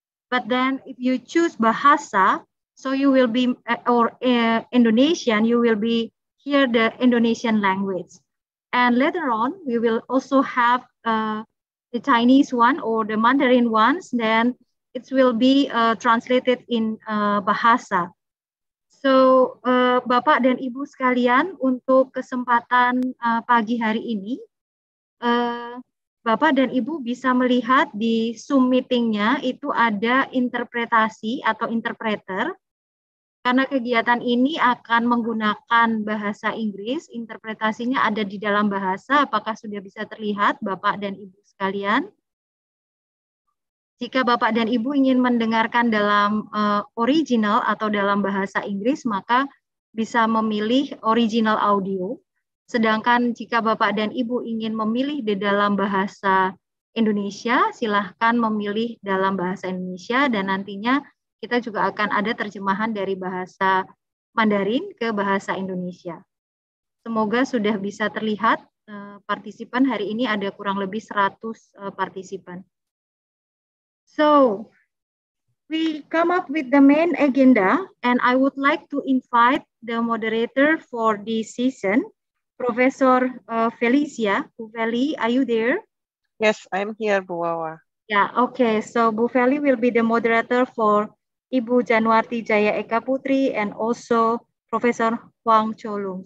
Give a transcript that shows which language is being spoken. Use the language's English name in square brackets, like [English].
[English] But then if you choose Bahasa, so you will be, or Indonesian, you will be hear the Indonesian language. And later on, we will also have the Chinese one or the Mandarin ones. Then it will be translated in Bahasa. [Indonesian] So, Bapak dan Ibu sekalian, untuk kesempatan pagi hari ini, Bapak dan Ibu bisa melihat di Zoom meeting-nya itu ada interpretasi atau interpreter. Karena kegiatan ini akan menggunakan bahasa Inggris, interpretasinya ada di dalam bahasa. Apakah sudah bisa terlihat, Bapak dan Ibu sekalian? Jika Bapak dan Ibu ingin mendengarkan dalam original atau dalam bahasa Inggris, maka bisa memilih original audio. Sedangkan jika Bapak dan Ibu ingin memilih di dalam bahasa Indonesia, silahkan memilih dalam bahasa Indonesia, dan nantinya kita juga akan ada terjemahan dari bahasa Mandarin ke bahasa Indonesia. Semoga sudah bisa terlihat partisipan hari ini ada kurang lebih 100 partisipan. [English] So, we come up with the main agenda, and I would like to invite the moderator for this session, Professor Felicia. Bu Feli, are you there? Yes, I'm here, Bu Wawa. Yeah, okay. So, Bu Feli will be the moderator for Ibu Januarti Jaya Eka Putri and also Professor Huang Cholung.